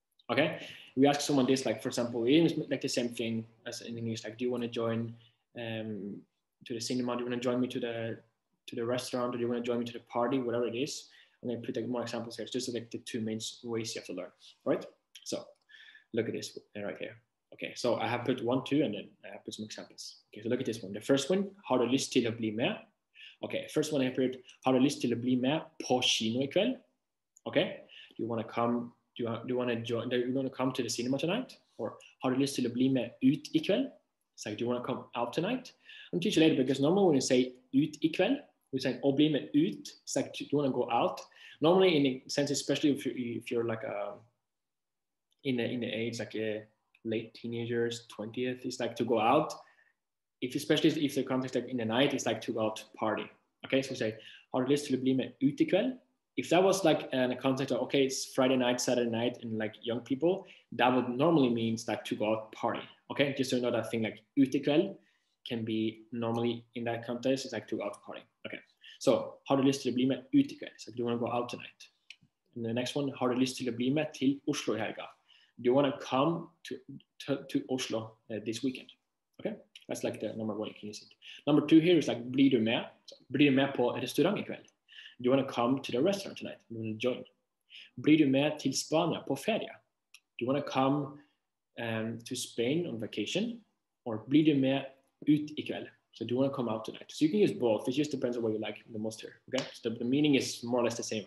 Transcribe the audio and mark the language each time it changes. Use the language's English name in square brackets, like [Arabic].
[English] Okay, we ask someone this, like, for example, in like the same thing as in English, like, do you want to join to the cinema? Do you want to join me to the restaurant? Or do you want to join me to the party? Whatever it is. I'm going to put like, more examples here. It's just like the two main ways you have to learn, right? So look at this right here. Okay, so I have put one, two, and then I have put some examples. Okay, so look at this one. The first one, [Norwegian] har du lyst til å bli med? [English] Okay, first one I heard, [Norwegian] har du lyst til å bli med på kino I kveld? [English] Okay, do you want to come, do you want to come to the cinema tonight? [Norwegian] Or har du lyst til å bli med ut I kveld? [English] It's like, do you want to come out tonight? I'm teaching you later because normally when you say [Norwegian] ut I kveld, [English] we say [Norwegian] å bli med ut, [English] it's like, do you want to go out? Normally in a sense, especially if you're like a, in the age, like a late teenagers, 20th, it's like to go out. Especially if the context like in the night is like to go out to party. Okay, so say, [Norwegian] har du lyst til å bli med ut I kveld? [English] If that was like in a context of, okay, it's Friday night, Saturday night, and like young people, that would normally mean like to go out party. Okay, just so you know that thing like [Norwegian] ut I kveld [English] can be normally in that context, it's like to go out party. Okay, so [Norwegian] har du lyst til å bli med ut I kveld? [English] It's like, do you want to go out tonight? And the next one, [Norwegian] har du lyst til å bli med til Oslo I helga? [English] Do you want to come to Oslo this weekend? Okay. That's like the number one you can use it. Number two here is like, [Norwegian] blir du med på restaurant I kveld? [English] Do you want to come to the restaurant tonight? Do you want to join? [Norwegian] Blir du med til Spania på ferie? [English] Do you want to come to Spain on vacation? Or [Norwegian] blir du med ut I kveld? [English] So do you want to come out tonight? So you can use both. It just depends on what you like the most here. Okay. So the meaning is more or less the same.